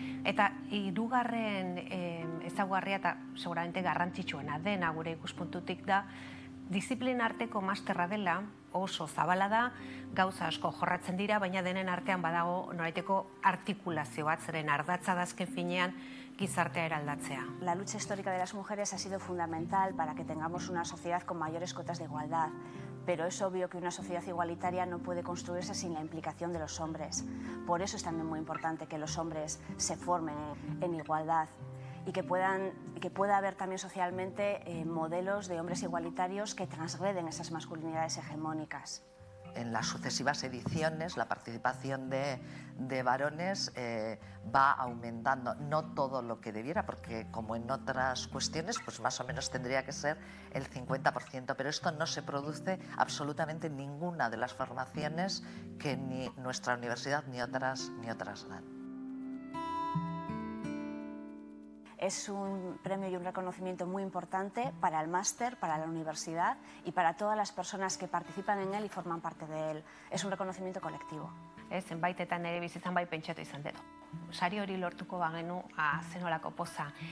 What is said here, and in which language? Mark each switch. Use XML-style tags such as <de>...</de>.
<eu>Eta hirugarren ezaugarria eta seguramente garrantzitsuena dena gure ikuspuntutik da, disiplin arteko masterra dela, oso zabala da, gauza asko jorratzen dira, baina denen artean badago noraiteko artikulazio bat, zeren ardatza da azken finean gizartea eraldatzea.</eu> <es>La lucha histórica de las mujeres ha sido fundamental para que tengamos una sociedad con mayores cotas de igualdad. Pero es obvio que una sociedad igualitaria no puede construirse sin la implicación de los hombres. Por eso es también muy importante que los hombres se formen en igualdad y que pueda haber también socialmente modelos de hombres igualitarios que transgreden esas masculinidades hegemónicas. En las sucesivas ediciones la participación de varones va aumentando, no todo lo que debiera, porque como en otras cuestiones, pues más o menos tendría que ser el 50%, pero esto no se produce absolutamente en ninguna de las formaciones que ni nuestra universidad ni otras dan. Es un premio y un reconocimiento muy importante para el máster, para la universidad y para todas las personas que participan en él y forman parte de él. Es un reconocimiento colectivo.</es> <eu>Ez, enbaitetan ere bizitzan bai pentsatu izan dut. Sari hori lortuko bagenu zenolako poza.</eu>